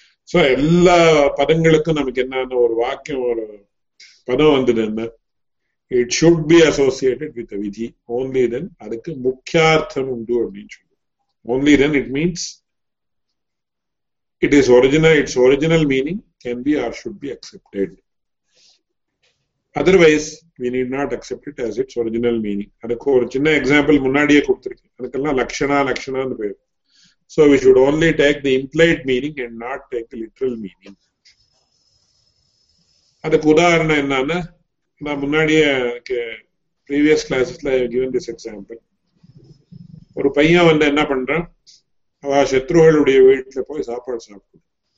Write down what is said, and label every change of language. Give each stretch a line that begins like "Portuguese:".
Tamil: So எல்லா பதங்களுக்கும் நமக்கு என்னன்னு ஒரு வாக்கியம், ஒரு பதம் வந்தது என்ன,
English: it should be associated with விதி only then
Tamil: அதுக்கு முக்கியார்த்தம் உண்டு அப்படின்னு சொல்லுவோம்.
English: Only then it means it is original, its original meaning can be or should be accepted. Otherwise, we need not accept it as its original meaning.
Tamil: அதுக்கு ஒரு சின்ன example முன்னாடியே கொடுத்துருக்கேன், அதுக்கெல்லாம் லக்ஷணா லக்ஷணான்னு பேர்.
English: So we should only take the implied meaning and not take the literal meaning.
Tamil: அதுக்கு உதாரணம் என்னன்னா, நான் முன்னாடியே ப்ரீவியஸ் கிளாஸஸ்ல
English: given this example,
Tamil: ஒரு பையன் வந்து என்ன பண்றான், அவ சத்ருகளுடைய வீட்டுல போய் சாப்பாடு சாப்பிடுவான்.